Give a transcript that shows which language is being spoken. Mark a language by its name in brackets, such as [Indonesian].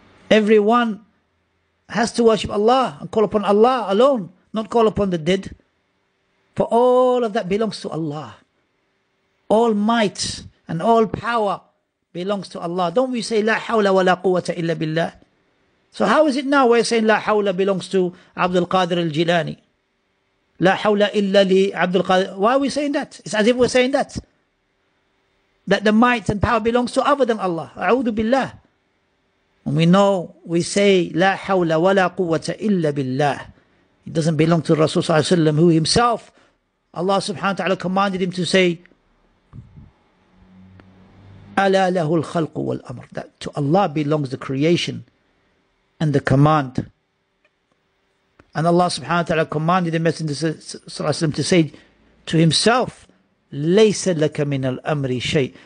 [English] Everyone has to worship Allah and call upon Allah alone, not call upon the dead. For all of that belongs to Allah. All might and all power belongs to Allah. Don't we say, [Arabic] لَا حَوْلَ وَلَا قُوَّةَ إِلَّا بِاللَّهِ? [English] So how is it now we're saying La Hawla belongs to Abdul Qadir al-Jilani? [Arabic] لا حول إلا لعبد القادر. [English] Why are we saying that? It's as if we're saying that. That the might and power belongs to other than Allah. [Arabic] أعوذ بالله. [English] And we know, we say, [Arabic] لا حول ولا قوة إلا بالله. [English] It doesn't belong to Rasul صلى الله عليه وسلم, who himself, Allah subhanahu wa ta'ala commanded him to say, [Arabic] ألا له الخلق والأمر. [English] That to Allah belongs the creation and the command. And Allah subhanahu wa ta'ala commanded the Messenger sallallahu alayhi wa sallam to say to himself, [Arabic] لَيْسَ لَكَ مِنَ الْأَمْرِ شَيْءٍ.